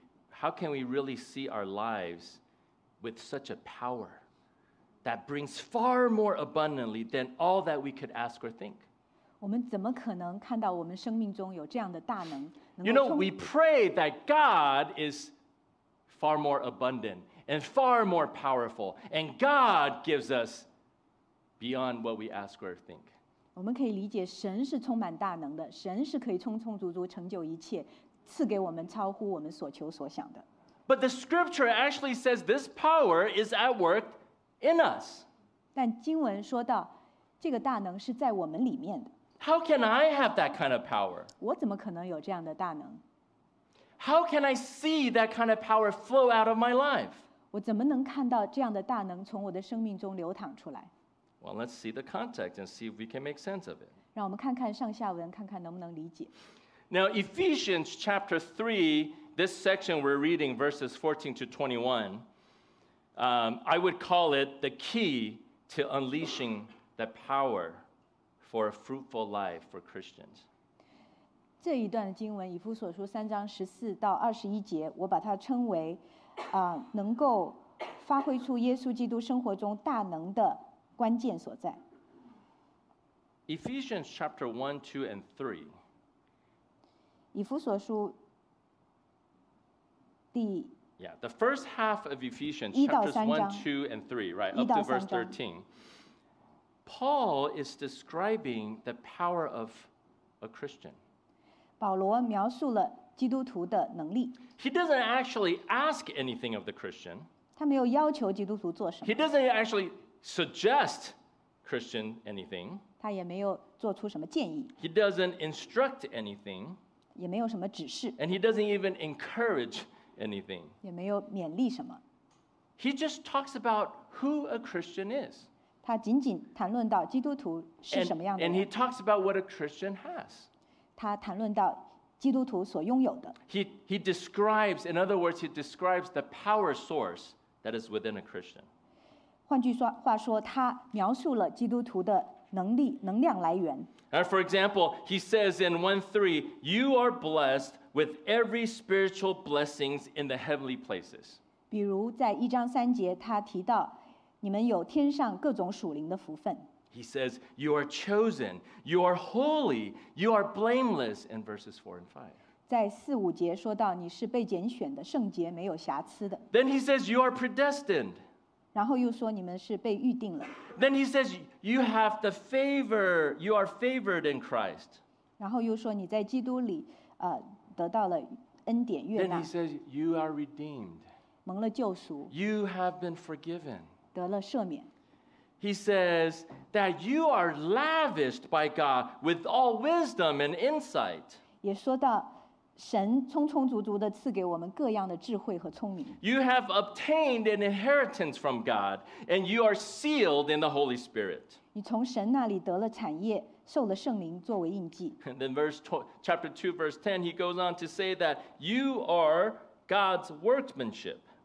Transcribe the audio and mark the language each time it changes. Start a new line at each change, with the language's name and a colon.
English: How can we really see our lives with such a power? That brings far more abundantly than all that we could ask or think.
Chinese: 我们怎么可能看到我们生命中有这样的大能？
English: You know, we pray that God is far more abundant and far more powerful, and God gives us beyond what we ask or think.
Chinese: 我们可以理解神是充满大能的，神是可以充充足足成就一切，赐给我们超乎我们所求所想的。
English: But the scripture actually says this power is at work. In us.
Chinese: 但经文说到这个大能是在我们里面的。
English: How can I have that kind of power?
Chinese: 我怎么可能有这样的大能?
English: How can I see that kind of power flow out of my life?
Chinese: 我怎么能看到这样的大能从我的生命中流淌出来?
English: Well, let's see the context and see if we can make sense of it.
Chinese: 让我们看看上下文，看看能不能理解。
English: Now, Ephesians chapter 3, this section we're reading, verses 14 to 21,I would call it the key to unleashing the power for a fruitful life for Christians.
Chinese: 这一段经文，以弗所书三章十四到二十一节，我把它称为能够发挥出耶稣基督生活中大能的关键所在。
English: Ephesians chapter 1, 2, and 3.
Chinese: 以弗所书第
English: Yeah, the first half of Ephesians, chapters 1, 2, and 3, right, up to verse 13. Paul is describing the power of a Christian.
Chinese: 保罗描述了基督徒的能力。
English: He doesn't actually ask anything of the Christian.
Chinese: 他没有要求基督徒做什么。
English: He doesn't actually suggest Christian anything.
Chinese: 他也没有做出什么建议。
English: He doesn't instruct anything.
Chinese: 也没有什么指示。
English: And he doesn't even encourage anything. Anything.
Chinese: 也没有勉励什么。
English: He just talks about who a Christian is.
Chinese: 他仅仅谈论到基督徒是什么样的。
English: And he talks about what a Christian has.
Chinese: 他谈论到基督徒所拥有的。
English: He describes, in other words, he describes the power source that is within a Christian.
Chinese: 换句话说，他描述了基督徒的能力、能量来源。
English: And for example, he says in 1:3, you are blessed. With every spiritual blessings in the heavenly places.
Chinese: 比如在一章三节，他提到你们有天上各种属灵的福分。
English: He says, "You are chosen, you are holy, you are blameless." In verses 4 and 5.
Chinese: 在四五节说到你是被拣选的，圣洁，没有瑕疵的。
English: Then he says, "You are predestined."
Chinese: 然后又说你们是被预定了。
English: Then he says, "You have the favor, you are favored in Christ."
Chinese: 然后又说你在基督里。得到了恩典悦纳。
English: Then he says, "You are redeemed."
Chinese: 蒙了救赎。
English: You have been forgiven.
Chinese: 得了赦免。
English: He says that you are lavished by God with all wisdom and insight.
Chinese: 也说到神充充足足地赐给我们各样的智慧和聪明。
English: You have obtained an inheritance from God, and you are sealed in the Holy Spirit.
Chinese: 你从神那里得了产业，受了圣灵作为印记。
English: And then chapter 2, verse 10, he goes on to say that you are God's workmanship.